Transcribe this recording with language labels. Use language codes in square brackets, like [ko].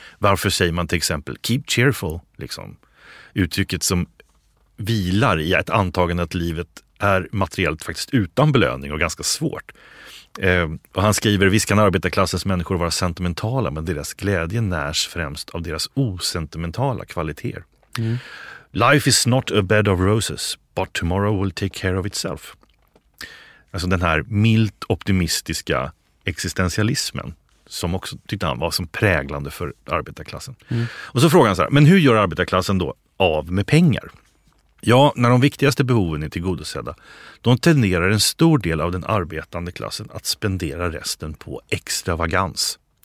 [sv] Varför säger man till exempel [en] keep cheerful? [sv] Liksom. Uttrycket som vilar i ett antagande att livet är materiellt faktiskt utan belöning och ganska svårt. Och han skriver, visst kan arbetarklassens människor vara sentimentala, men deras glädje närs främst av deras osentimentala kvaliteter. [en] Life is not a bed of roses, but tomorrow will take care of itself. [sv] Alltså den här milt optimistiska existentialismen som också tyckte han var som präglande för arbetarklassen. Mm. Och så frågar han så här, men hur gör arbetarklassen då av med pengar? Ja, när de viktigaste behoven är tillgodosedda, då tenderar en stor del av den arbetande klassen att spendera resten på extravagans.